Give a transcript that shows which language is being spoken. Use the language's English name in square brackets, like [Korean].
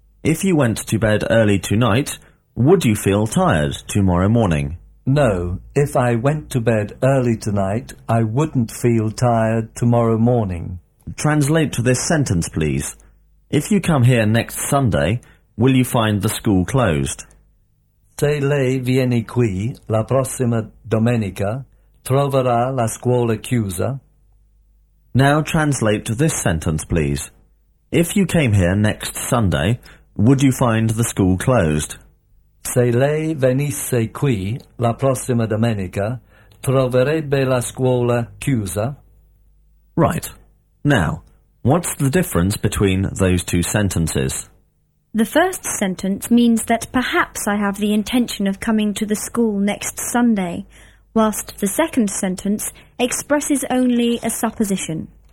[English] If you went to bed early tonight, would you feel tired tomorrow morning? No. If I went to bed early tonight, I wouldn't feel tired tomorrow morning. Translate to this sentence, please. If you come here next Sunday, will you find the school closed? [Italian] Se lei viene qui la prossima domenica, troverà la scuola chiusa. [English] Now translate to this sentence, please. If you came here next Sunday, would you find the school closed? [Italian] Se lei venisse qui la prossima domenica, troverebbe la scuola chiusa. [English] Right. Now, what's the difference between those two sentences? The first sentence means that perhaps I have the intention of coming to the school next Sunday, whilst the second sentence expresses only a supposition.